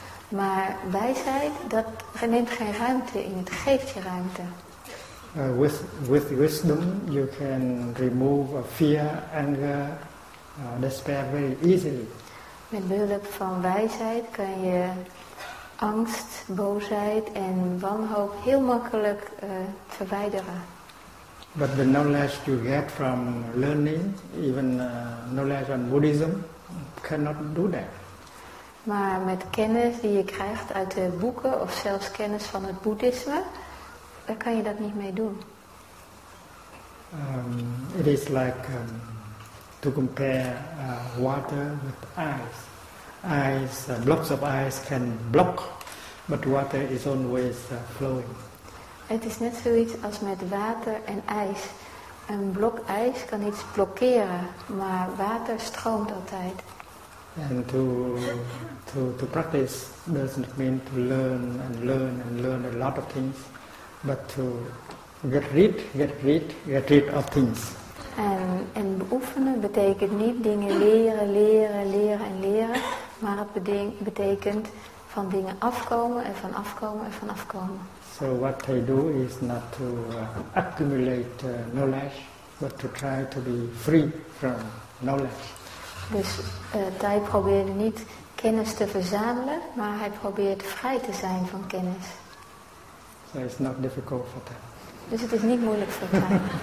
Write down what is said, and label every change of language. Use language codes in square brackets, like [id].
[nl] Maar wijsheid, dat neemt geen ruimte in, het geeft je ruimte. [en] With wisdom, you can remove fear, anger, despair very easily. [nl] Met behulp van wijsheid kan je angst, boosheid en wanhoop heel makkelijk verwijderen. [en] But the knowledge you get from learning, even knowledge on Buddhism, cannot do that. [nl] Maar met kennis die je krijgt uit de boeken of zelfs kennis van het boeddhisme, daar kan je dat niet mee doen. [en] It is like to compare water with ice. Blocks of ice can block, but water is always flowing. [nl] Het is net zoiets als met water en ijs. Een blok ijs kan iets blokkeren, maar water stroomt altijd. [en] En to practice doesn't mean to learn and learn and learn a lot of things, but to get rid of things. [nl] En beoefenen betekent niet dingen leren, leren, leren en leren, maar het betekent van dingen afkomen en van afkomen en van afkomen. [en] So what they do is not to accumulate knowledge, but to try to be free from knowledge. [nl] Dus Thay probeerde niet kennis te verzamelen, maar hij probeert vrij te zijn van kennis. [en] So it's not difficult for them. [nl] Dus het is niet moeilijk voor Thay.